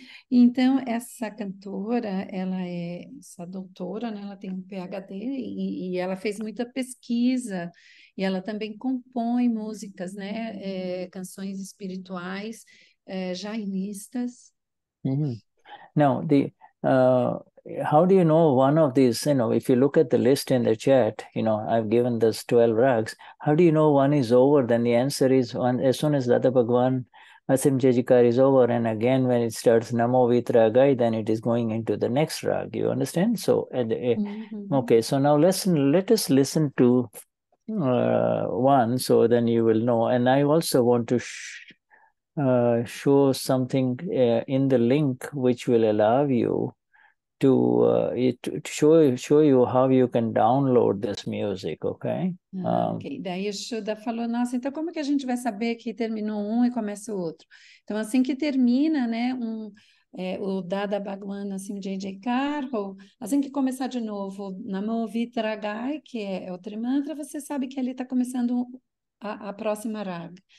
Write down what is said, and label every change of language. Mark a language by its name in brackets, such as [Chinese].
[Portuguese] Então essa cantora, ela é essa doutora, né? Ela tem um PhD e ela fez muita pesquisa e ela também compõe músicas, né? Canções espirituais, jainistas. [English] Now, the how do you know one of these? You know, if you look at the list in the chat, you know, I've given this 12 rags. How do you know one is over? Then the answer is one, as soon as Dada Bhagwan Asim Jajikar is over, and again when it starts Namo Vitragai, then it is going into the next rag. You understand? So, okay, so now let us listen to one, so then you will know. And I also want to show something in the link which will allow you to show you how you can download this music, okay? [Portuguese] Okay, daí o Shuddha falou, nossa, então como que a gente vai saber que terminou um e começa o outro? Então, assim que termina, né, o Dada Bhagwan, assim, J.J. Carro, assim que começar de novo, Namo Vitragai, que é o trimantra, você sabe que ele está começando a próxima raga.